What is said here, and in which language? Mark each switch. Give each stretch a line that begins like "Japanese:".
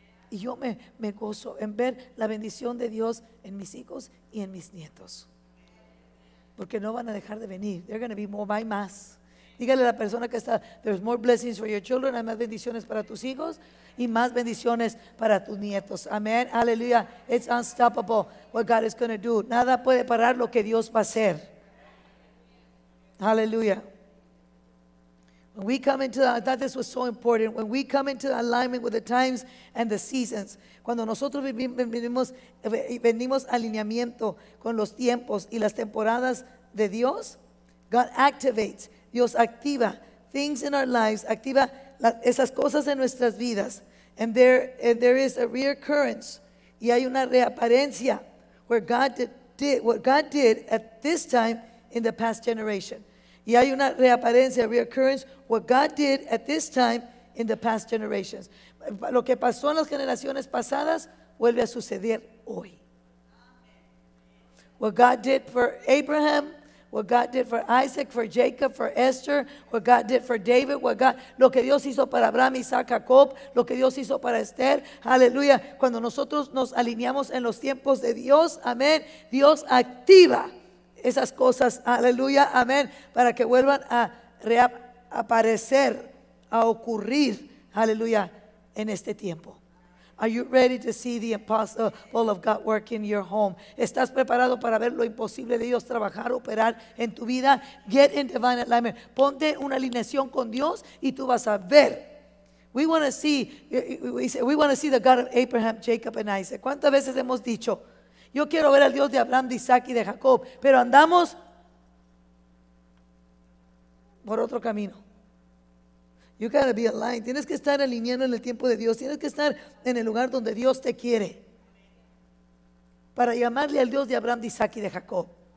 Spanish: Y yo me gozo en ver la bendición de Dios en mis hijos y en mis nietos. Porque no van a dejar de venir.
English: They're going to be more by
Spanish: más. Dígale a la persona que está,
English: "There's more blessings for your children."
Spanish: Hay más bendiciones para tus hijos y más bendiciones para tus nietos. Amén. Aleluya.
English: It's unstoppable what God is going to do.
Spanish: Nada puede parar lo que Dios va a hacer. Aleluya.
English: When we come into, I thought this was so important. When we come into alignment with the times and the seasons.
Spanish: Cuando nosotros venimos alineamiento con los tiempos y las temporadas de Dios,
English: God activates.
Spanish: Dios activa
English: things in our lives,
Spanish: activa esas cosas en nuestras vidas.
English: And there is a reoccurrence.
Spanish: Y hay una reapariencia
English: where God did what God did at this time in the past generation.
Spanish: Y hay una reapariencia,
English: reoccurrence, what God did at this time in the past generations.
Spanish: Lo que pasó en las generaciones pasadas vuelve a suceder hoy.
English: What God did for Abraham, what God did for Isaac, for Jacob, for Esther, what God did for David, what God,
Spanish: lo que Dios hizo para Abraham, Isaac, Jacob, lo que Dios hizo para Esther, aleluya. Cuando nosotros nos alineamos en los tiempos de Dios, amén, Dios activa esas cosas, aleluya, amén, para que vuelvan a reaparecer, a ocurrir, aleluya, en este tiempo.
English: Are you ready to see the impossible of God work in your home?
Spanish: ¿Estás preparado para ver lo imposible de Dios trabajar, operar en tu vida?
English: Get in divine alignment.
Spanish: Ponte una alineación con Dios y tú vas a ver.
English: We want to see the God of Abraham, Jacob, and Isaac.
Spanish: ¿Cuántas veces hemos dicho, yo quiero ver al Dios de Abraham, de Isaac y de Jacob, pero andamos por otro camino?
English: You gotta be aligned.
Spanish: Tienes que estar alineado en el tiempo de Dios. Tienes que estar en el lugar donde Dios te quiere para llamarle al Dios de Abraham, de Isaac y de Jacob.